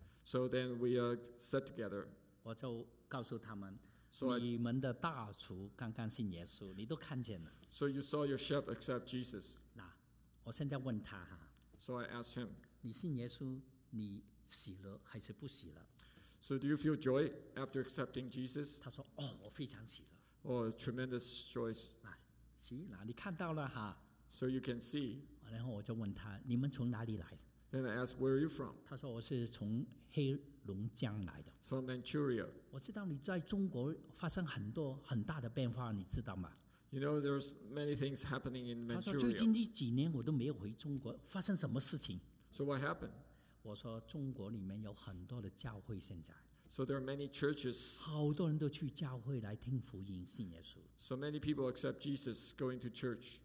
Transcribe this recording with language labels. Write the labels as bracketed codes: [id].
[en] So then we sat together. [zh] 我就告诉他们。 [en] So、 [zh] 你们的大厨刚刚信耶稣，你都看见了。 [en] So you saw your chef accept Jesus. [zh] 那我现在问他哈。 [en] So I asked him, [zh] 你信耶稣，你喜乐还是不喜乐 [en] ？So do you feel joy after accepting Jesus? [zh] 他说，哦，我非常喜乐。 [en] Oh, tremendous joy. [zh] 那，喜，那你看到了哈。 [en] So you can see. [zh] 然后我就问他，你们从哪里来 [en] ？Then I asked, where are you from? [zh] 他说，我是从黑龙江来的。 [en] From Manchuria. [zh] 我知道你在中国发生很多很大的变化，你知道吗？ [en] You know, there's many things happening in Manchuria. [zh] 他说最近这几年我都没有回中国，发生什么事情 [en] ？So what happened? [zh] 我说中国里面有很多的教会现在。 [en] So there are many churches. [zh] 好多人都去教会来听福音，信耶稣。 [en] So many people accept Jesus going to church.